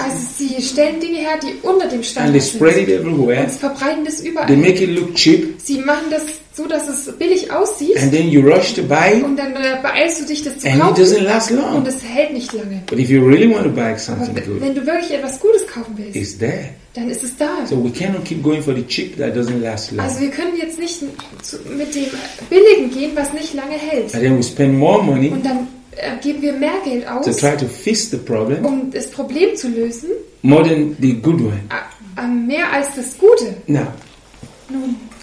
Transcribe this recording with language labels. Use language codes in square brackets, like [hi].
[de] Also sie stellen Dinge her, die unter dem Standard sind. [en] And they spread it everywhere. [de] Und sie verbreiten das überall. [en] They make it look cheap. [de] Sie machen das so, dass es billig aussieht. [en] And then you rush to buy. [de] Und dann beeilst du dich, das zu [en] and [de] kaufen. [en] It doesn't last long. [de] Und es hält nicht lange. [en] But if you really want to buy something good, [de] wenn du wirklich etwas Gutes kaufen willst, [en] it's there. [de] Dann ist es da. [en] So we cannot keep going for the cheap that doesn't last long. [de] Also wir können jetzt nicht mit dem Billigen gehen, was nicht lange hält. [en] And then we spend more money, [de] und dann geben wir mehr Geld aus, [en] to try to fix the problem, [de] um das Problem zu lösen. [en] More than the good one. [de] Mehr als das Gute. [en] Now, [de] nun,